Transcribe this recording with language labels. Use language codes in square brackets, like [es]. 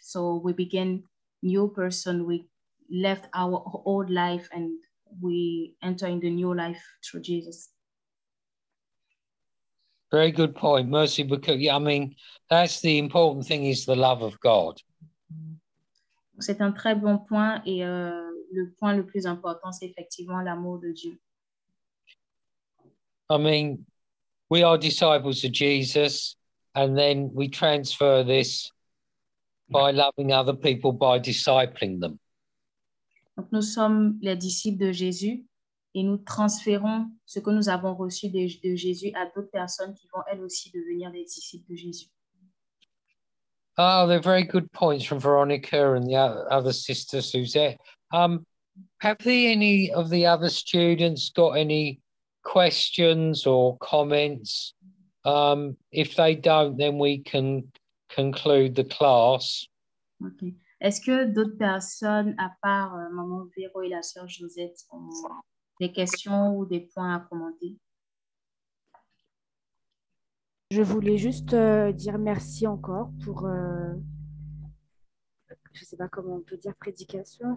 [en] So we begin new person, we left our old life and we enter in the new life through Jesus. Very good point, Mercy. Because I mean, that's the important thing is the love of God. [fr] C'est un très bon point et le point le plus important, c'est effectivement l'amour de Dieu. [en] I mean, we are disciples of Jesus and then we transfer this by loving other people, by discipling them. [fr] Donc, nous sommes les disciples de Jésus et nous transférons ce que nous avons reçu de Jésus à d'autres personnes qui vont elles aussi devenir des disciples de Jésus. [en] Oh, they're very good points from Veronica and the other sister Suzette. Have they any of the other students got any questions or comments? If they don't, then we can conclude the class. Okay. [fr] Est-ce que d'autres personnes, à part Maman Véro et la sœur Josette, ont des questions ou des points à commenter? Je voulais juste dire merci encore pour, je ne sais pas comment on peut dire, prédication.